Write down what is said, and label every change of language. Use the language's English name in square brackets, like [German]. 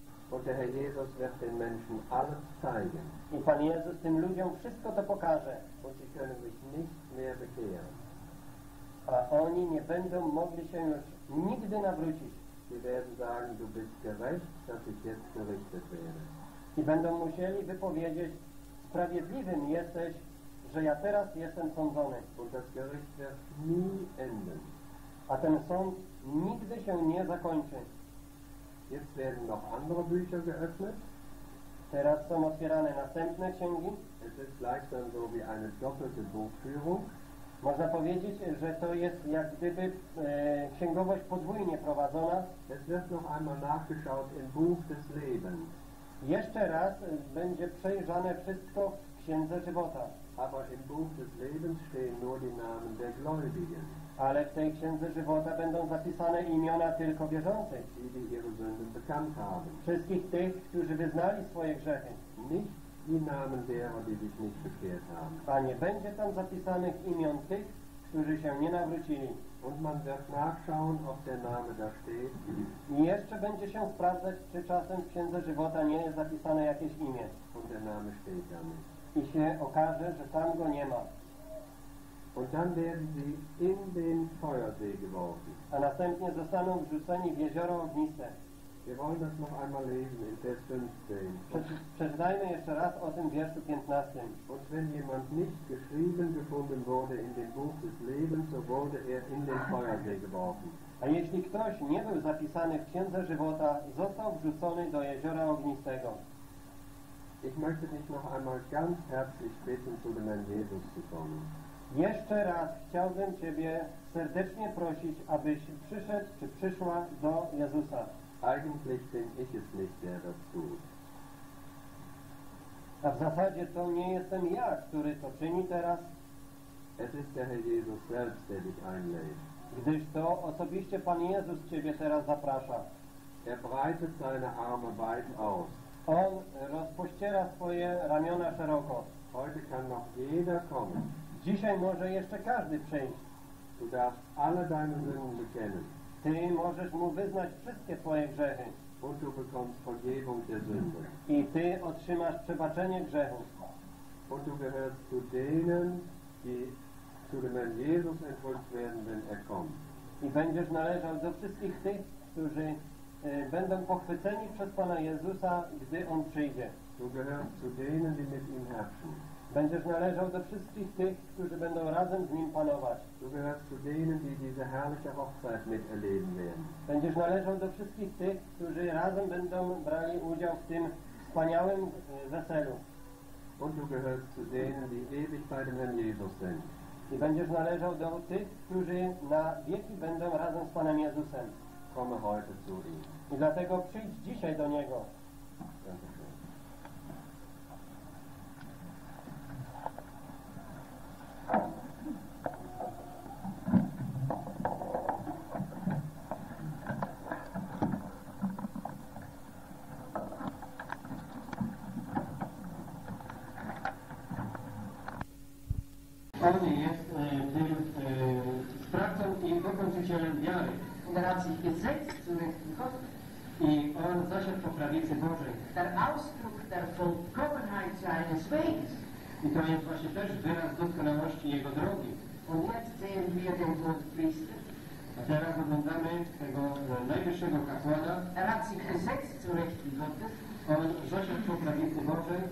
[German] Und der Herr Jesus wird den Menschen alles zeigen. [Polish] I Pan Jezus tym ludziom wszystko to pokaże. [German] Und sie können sich nicht mehr bekehren. [Polish] A oni nie będą mogli się już nigdy nawrócić. [German] Sie werden sagen, du bist gerecht, dass ich jetzt gerichtet werde. [Polish] I będą musieli wypowiedzieć, sprawiedliwym jesteś, że ja teraz jestem sądzony. [German] Und das Gericht wird nie enden. [Polish] A ten sąd nigdy się nie zakończy. [German] Jetzt werden noch andere Bücher geöffnet. [Polish] Teraz są otwierane następne księgi. [German] Es ist gleichsam so wie eine doppelte Buchführung. [Polish] Można powiedzieć, że to jest jak gdyby księgowość podwójnie prowadzona. [German] Es wird noch einmal nachgeschaut im Buch des Lebens. [Polish] Jeszcze raz będzie przejrzane wszystko w Księdze Żywota. [German] Aber im Buch des Lebens stehen nur die Namen der Gläubigen. [Polish] Ale w tej Księdze Żywota będą zapisane imiona tylko wierzących. [German] Die, die ihre Sünden bekannt haben. [Polish] Wszystkich tych, którzy wyznali swoje grzechy. [German] Nicht die Namen derer, die sich nicht bekehrt haben. [Polish] A nie będzie tam zapisanych imion tych, którzy się nie nawrócili. [German] Und man wird nachschauen, ob der Name da steht. [Polish] I jeszcze będzie się sprawdzać, czy czasem w Księdze Żywota nie jest zapisane jakieś imię. [German] Und der Name steht da nicht. [Polish] I się okaże, że tam go nie ma. [German] Und dann werden sie in den Feuersee geworfen. [Polish] A następnie zostaną wrzuceni w jezioro ognisce. [German] Wir wollen das noch einmal lesen in Vers 15. [Polish] Przeczytajmy jeszcze raz o tym wierszu 15. [German] Und wenn jemand nicht geschrieben gefunden wurde in dem Buch des Lebens, so wurde in den Feuersee geworfen. [Polish] A jeśli ktoś nie był zapisany w Księdze Żywota, został wrzucony do jeziora ognistego. [German] Ich möchte dich noch einmal ganz herzlich bitten, zu dem Herrn Jesus zu kommen. [Polish] Jeszcze raz chciałbym Ciebie serdecznie prosić, abyś przyszedł czy przyszła do Jezusa. [German] Eigentlich bin ich es nicht, der das tut. [Polish] A w zasadzie to nie jestem ja, który to czyni teraz. [German] Es ist der Herr Jesus selbst, der dich einlädt. [Polish] Gdyż to osobiście Pan Jezus Ciebie teraz zaprasza. [German] Er breitet seine Arme weit aus. [Polish] On rozpościera swoje ramiona szeroko. [German] Heute kann noch jeder kommen. [Polish] Dzisiaj może jeszcze każdy przyjść. [German] Du darfst alle deine Sünden bekennen. [Polish] Ty możesz mu wyznać wszystkie twoje grzechy. [German] Und du bekommst Vergebung der Sünde. [Polish] I ty otrzymasz przebaczenie grzechów. [German] Und du gehörst zu denen, die zu dem Herrn Jesus entfolgt werden, wenn er kommt. [Polish] I będziesz należał do wszystkich tych, którzy będą pochwyceni przez Pana Jezusa, gdy On przyjdzie. [German] Du gehörst zu denen, die mit ihm herrschen. [Polish] Będziesz należał do wszystkich tych, którzy będą razem z Nim panować. [German] Du gehörst zu denen, die diese herrliche Hochzeit miterleben werden. [Polish] Będziesz należał do wszystkich tych, którzy razem będą brali udział w tym wspaniałym weselu. [German] Und du gehörst zu denen, die ewig bei dem Herrn Jesus sind. [Polish] I będziesz należał do tych, którzy na wieki będą razem z Panem Jezusem. [German] Komm heute zu ihm. [Polish] I dlatego przyjdź dzisiaj do Niego. Pewnie jest tym sprawcą i wykończycielem wiary. Generacji jest zejść, i on zasiadł po prostu. prawicy Bożej. [German] Der Ausdruck der Vollkommenheit seines Weges. [Polish] I to jest właśnie też wyraz doskonałości Jego drogi. [German] Und jetzt sehen wir den Hohepriester. [Polish] A teraz oglądamy tego najwyższego kapłana. [German] Er hat sich gesetzt zu Rechten Gottes. [Polish] On zasiadł po prawicy Bożej.